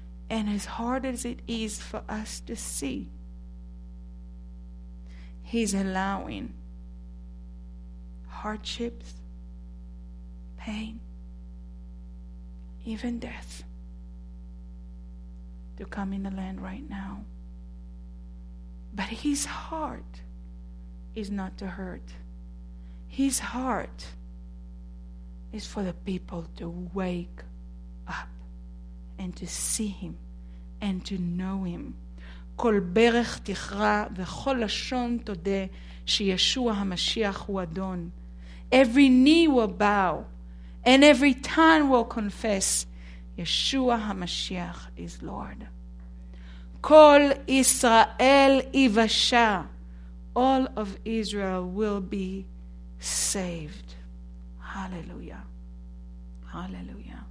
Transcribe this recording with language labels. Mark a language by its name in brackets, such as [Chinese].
[English] And as hard as it is for us to see, he's allowing hardships, pain, even death to come in the land right now. But his heart is not to hurt. His heart is for the people to wake up and to see him and to know him. [Hebrew] כל ברך תכרה וכל לשון תודה שישוע המשיח הוא אדון. [English] Every knee will bow and every tongue will confess ישוע המשיח is Lord. [Hebrew] כל ישראל יבשע, [English] all of Israel will be saved. Hallelujah. Hallelujah.